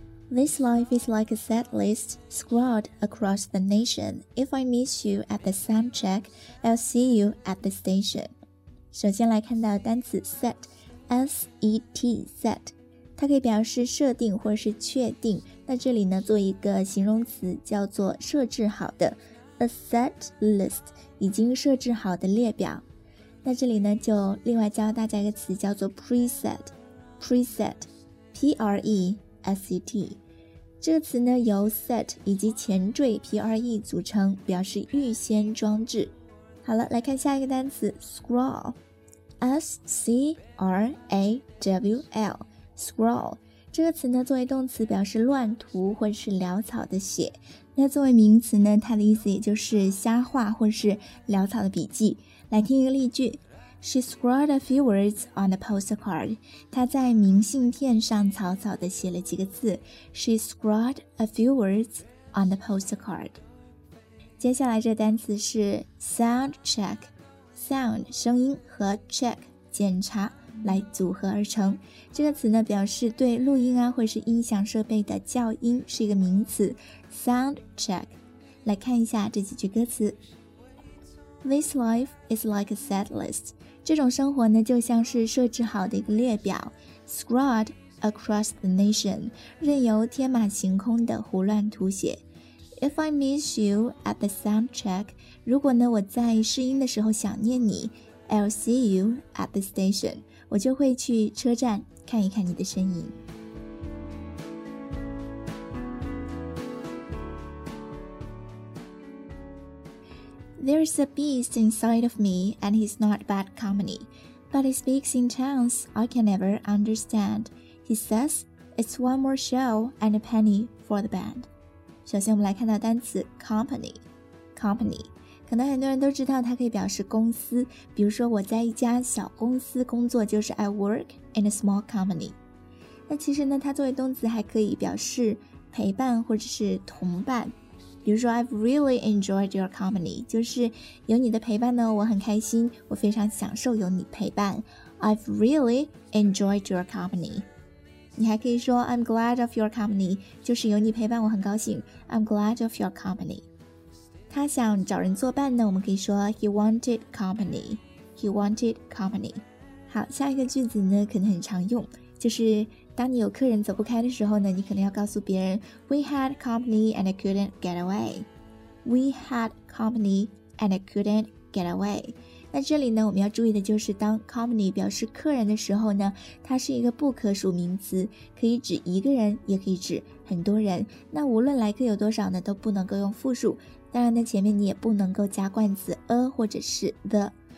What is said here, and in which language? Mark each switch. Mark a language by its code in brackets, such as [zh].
[en] This life is like a set list scrawled across the nation. If I miss you at the sound check, I'll see you at the station. [zh] 首先来看到单词 set, S-E-T, set. 它可以表示设定或是确定。那这里呢，做一个形容词叫做设置好的 , [en] a set list, [zh] 已经设置好的列表。那这里呢，就另外教大家一个词叫做 preset, preset, P-R-E-S-E-T. 这个词呢由 set 以及前缀 pre 组成，表示预先装置。好了，来看下一个单词 scrawl， S C R A W L， scrawl 这个词呢作为动词表示乱涂或是潦草的写，那作为名词呢，它的意思也就是瞎画或是潦草的笔记。来听一个例句， [en] She scrawled a few words on a postcard. [zh] 她在明信片上草草地写了几个字。 [en] She scrawled a few words on the postcard. [zh] 接下来这单词是 sound check. Sound 声音和 check 检查来组合而成。这个词呢表示对录音啊或是音响设备的校音，是一个名词 sound check. 来看一下这几句歌词。 [en] This life is like a set list. [zh] 这种生活呢就像是设置好的一个列表 [en] scrawled across the nation, [zh] 任由天马行空的胡乱涂写。 [en] If I miss you at the sound check, [zh] 如果呢我在试音的时候想念你， [en] I'll see you at the station, [zh] 我就会去车站看一看你的身影。 [en] There's a beast inside of me, and he's not bad company. But he speaks in tongues I can never understand. He says, it's one more show and a penny for the band. [zh] 首先我们来看到单词 company. [en] Company. [zh] 可能很多人都知道它可以表示公司。比如说我在一家小公司工作，就是 [en] I work in a small company. [zh] 那其实呢，它作为动词还可以表示陪伴或者是同伴。比如说 [en] I've really enjoyed your company, [zh] 就是有你的陪伴呢我很开心，我非常享受有你陪伴。 [en] I've really enjoyed your company. [zh] 你还可以说 [en] I'm glad of your company, [zh] 就是有你陪伴我很高兴。 [en] I'm glad of your company. [zh] 他想找人作伴呢，我们可以说 [en] He wanted company. He wanted company. [zh] 好，下一个句子呢可能很常用，就是当你有客人走不开的时候呢，你可能要告诉别人 [en] We had company and I couldn't get away. We had company and I couldn't get away. [zh] 那这里呢我们要注意的就是当 company 表示客人的时候呢，它是一个不可数名词，可以指一个人也可以指很多人。那无论来客有多少呢，都不能够用复数，当然呢前面你也不能够加冠词 a 或者是 the。